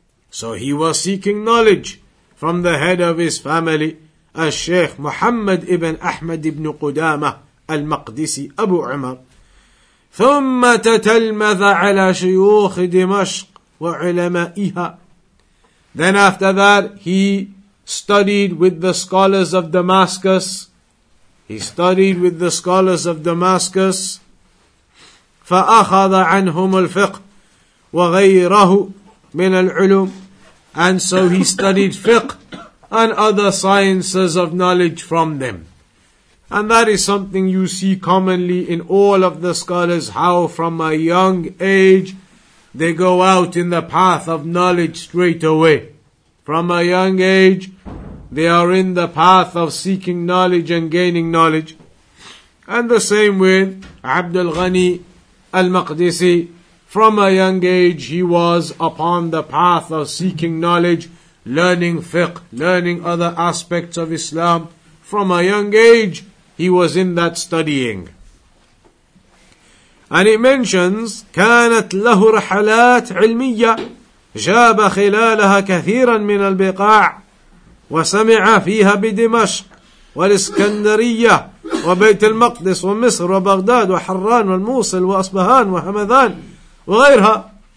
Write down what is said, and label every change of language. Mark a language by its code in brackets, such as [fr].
[en] So he was seeking knowledge from the head of his family, الشيخ محمد ابن أحمد ابن قدامة المقدسي أبو عمر. [ar] ثم تتلمذ على شيوخ دمشق وعلمائها. [en] Then after that, he studied with the scholars of Damascus. He studied with the scholars of Damascus. [ar] فأخذ عنهم الفقه وغيره من العلوم. [en] And so he studied fiqh and other sciences of knowledge from them. And that is something you see commonly in all of the scholars, how from a young age they go out in the path of knowledge straight away. From a young age they are in the path of seeking knowledge and gaining knowledge. And the same with Abdul Ghani al-Maqdisi. From a young age he was upon the path of seeking knowledge, learning fiqh, learning other aspects of Islam. From a young age he was in that studying. And it mentions, [ar] كانت له رحلات علمية جاب خلالها كثيرا من البقاع وسمع فيها بدمشق والإسكندرية وبيت المقدس ومصر وبغداد وحران والموصل وأصبهان وهمذان وغيرها.